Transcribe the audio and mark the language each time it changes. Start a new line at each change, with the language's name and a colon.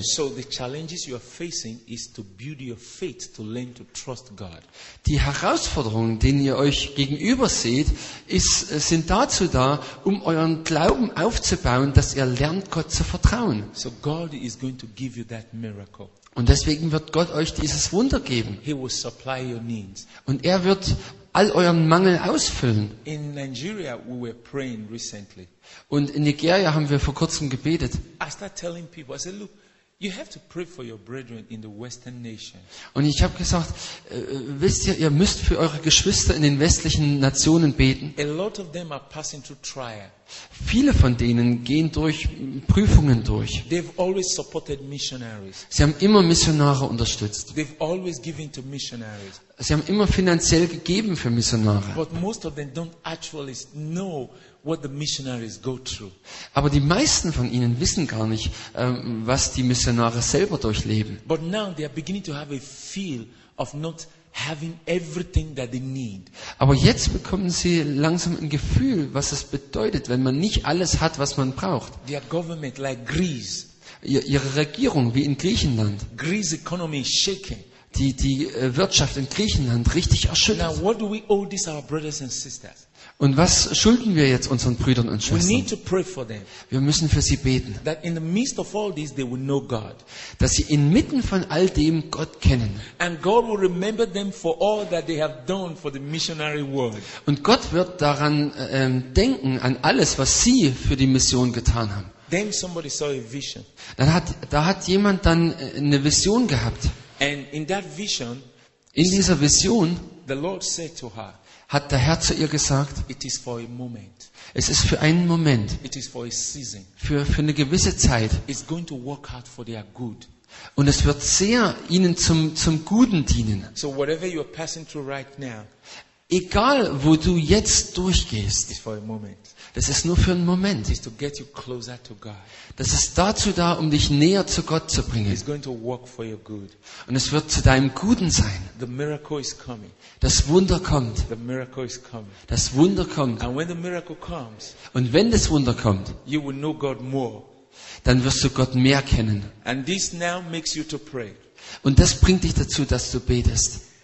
English: So the challenges you are facing is to build your faith, to learn to trust God.
German: Die Herausforderungen, denen ihr euch gegenüber seht, sind dazu da, um euren Glauben aufzubauen, dass ihr lernt, Gott zu vertrauen.
English: So God is going to give you that miracle.
German: Und deswegen wird Gott euch dieses Wunder geben.
English: He will supply your needs.
German: Und er wird all euren Mangel ausfüllen.
English: In Nigeria, we were praying recently.
German: Und in Nigeria haben wir vor kurzem gebetet.
English: I started telling people, I said, look, you have to pray for your brethren in the Western nation.
German: Und ich habe gesagt, wisst ihr, ihr müsst für eure Geschwister in den westlichen Nationen beten.
English: A lot of them are passing through trial.
German: Viele von denen gehen durch Prüfungen durch.
English: They've always supported missionaries.
German: Sie haben immer Missionare unterstützt.
English: They've always given to missionaries.
German: Sie haben immer finanziell gegeben für Missionare.
English: But most of them don't actually know what the missionaries go through.
German: Aber die meisten von ihnen wissen gar nicht, was die Missionare selber durchleben.
English: But now they are beginning to have a feel of not having everything that they need.
German: Aber jetzt bekommen sie langsam ein Gefühl, was es bedeutet, wenn man nicht alles hat, was man braucht.
English: Their government, like Greece.
German: Ihre Regierung wie in Griechenland.
English: Greece economy is shaking.
German: Die Wirtschaft in Griechenland richtig erschüttert.
English: Now what do we owe this our brothers and sisters?
German: Und was schulden wir jetzt unseren Brüdern und Schwestern?
English: We need to pray for them.
German: Wir müssen für sie beten.
English: That in the midst of all this they will know God.
German: Dass sie inmitten von all dem Gott kennen.
English: And God will remember them for all that they have done for the missionary work.
German: Und Gott wird daran denken an alles, was sie für die Mission getan haben.
English: Then somebody saw a vision.
German: Da hat jemand dann eine Vision gehabt.
English: And in that vision,
German: in dieser Vision,
English: the Lord said to her,
German: hat der Herr zu ihr gesagt,
English: it is for a moment.
German: Es ist für einen Moment,
English: it is for a season.
German: Für eine gewisse Zeit.
English: It's going to work out for their good.
German: Und es wird sehr ihnen zum Guten dienen.
English: So whatever you are passing through right now,
German: egal wo du jetzt durchgehst,
English: it's for a moment.
German: Das ist nur für einen Moment.
English: It's to get you closer to God.
German: Das ist dazu da, um dich näher zu Gott zu bringen.
English: It's going to work for your good.
German: Und es wird zu deinem Guten sein.
English: The miracle is coming.
German: Das Wunder kommt.
English: The miracle is coming.
German: Das Wunder kommt.
English: And when the miracle comes,
German: und wenn das Wunder kommt,
English: you will know God more.
German: Dann wirst du Gott mehr kennen.
English: And this now makes you to pray.
German: Und das bringt dich dazu, dass du betest.